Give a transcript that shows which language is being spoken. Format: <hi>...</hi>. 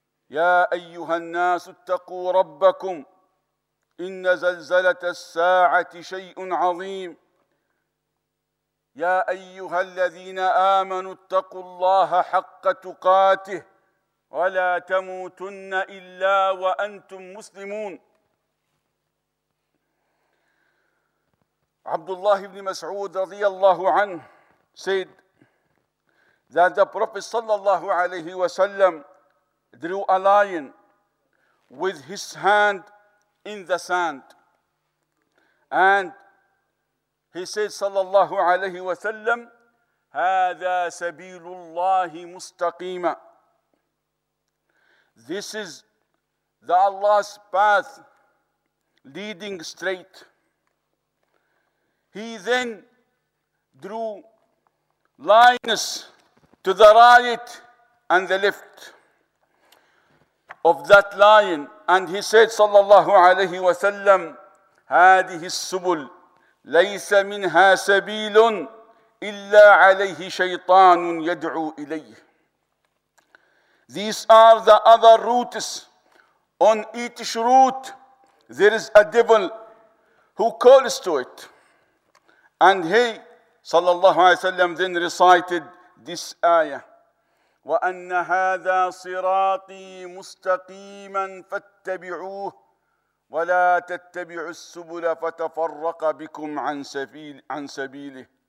<ar>يا أيها الناس اتقوا ربكم إن زلزلة الساعة شيء عظيم. يا أيها الذين آمنوا اتقوا الله حق تقاته ولا تموتن إلا وأنتم مسلمون.</ar> <en>Abdullah ibn Mas'ud radiyallahu anhu said that the Prophet sallallahu alayhi wa sallam drew a lion with his hand in the sand. And he said sallallahu alayhi wa sallam,</en> <ar>هَذَا سَبِيلُ اللَّهِ مُسْتَقِيمًا.</ar> <en>This is the Allah's path leading straight. He then drew lines to the right and the left of that lion. And he said, sallallahu alayhi wa sallam,</en> <ar>هذه السبل ليس منها سبيل إلا عليه شيطان يدعو إليه.</ar> <en>These are the other routes. On each route, there is a devil who calls to it. And he, sallallahu alayhi wa sallam, then recited this ayah.</en> <ar>وَأَنَّ هَذَا صِرَاطِي مُسْتَقِيمًا فَاتَّبِعُوهُ وَلَا تَتَّبِعُوا السُّبُلَ فَتَفَرَّقَ بِكُمْ عَنْ سَبِيلِهِ.</ar>